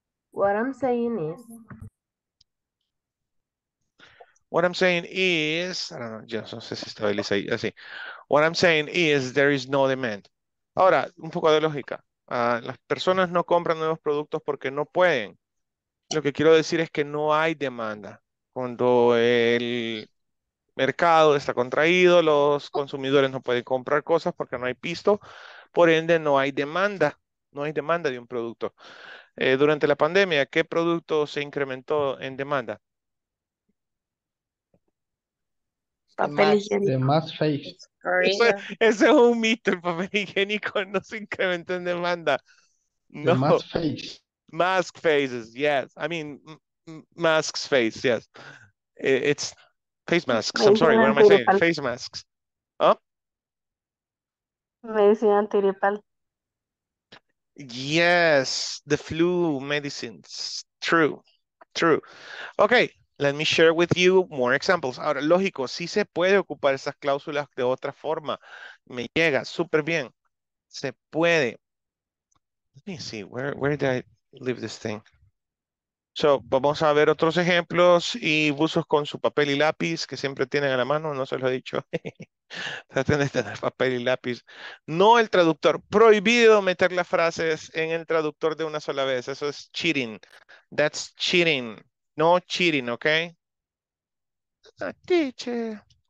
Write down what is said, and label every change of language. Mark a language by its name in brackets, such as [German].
[English] What I'm saying is. What I'm saying is, I don't know, [Spanish] yo no sé si estabiliza ahí, así. [English] What I'm saying is, there is no demand. [Spanish] Ahora, un poco de lógica. Las personas no compran nuevos productos porque no pueden. Lo que quiero decir es que no hay demanda. Cuando el mercado está contraído, los consumidores no pueden comprar cosas porque no hay pisto. Por ende, no hay demanda. No hay demanda de un producto. Durante la pandemia, ¿qué producto se incrementó en demanda? Papel higiénico. Ese es un mito, el papel higiénico no se incrementa en demanda. No. [English] Mask faces, yes. It's face masks, I'm sorry, what am I saying? Face masks. Oh? [Spanish] Medicina antigripal. [English] Yes, the flu medicines, true. Okay. Let me share with you more examples. [Spanish] Ahora, lógico, sí se puede ocupar esas cláusulas de otra forma. Me llega súper bien. Se puede. [English] Let me see, where did I leave this thing? [Spanish] So, vamos a ver otros ejemplos y buzos con su papel y lápiz que siempre tienen a la mano, no se lo he dicho. Traten de tener papel y lápiz. No el traductor. Prohibido meter las frases en el traductor de una sola vez. Eso es [English] cheating. That's cheating. No cheating, okay? Teacher.